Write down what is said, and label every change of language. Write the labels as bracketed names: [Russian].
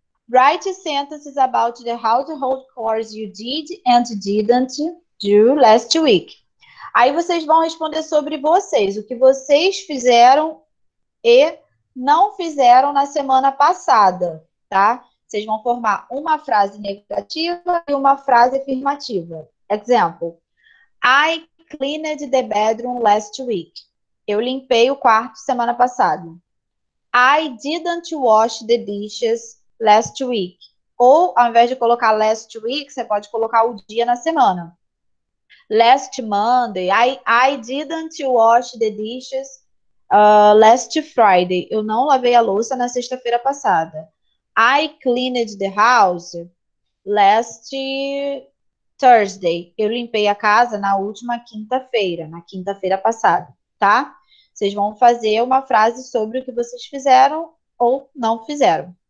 [English] Write sentences about the household chores you did and didn't do last week. [Portuguese] Aí vocês vão responder sobre vocês, o que vocês fizeram e não fizeram na semana passada, tá? Vocês vão formar uma frase negativa e uma frase afirmativa. [English] Exemplo, I cleaned the bedroom last week. [Portuguese] Eu limpei o quarto semana passada. [English] I didn't wash the dishes last week. [Portuguese] Ou, ao invés de colocar last week, você pode colocar o dia na semana. [English] Last Monday, I didn't wash the dishes last Friday. [Portuguese] Eu não lavei a louça na sexta-feira passada. [English] I cleaned the house last Thursday. [Portuguese] Eu limpei a casa na última quinta-feira, na quinta-feira passada, tá? Vocês vão fazer uma frase sobre o que vocês fizeram ou não fizeram.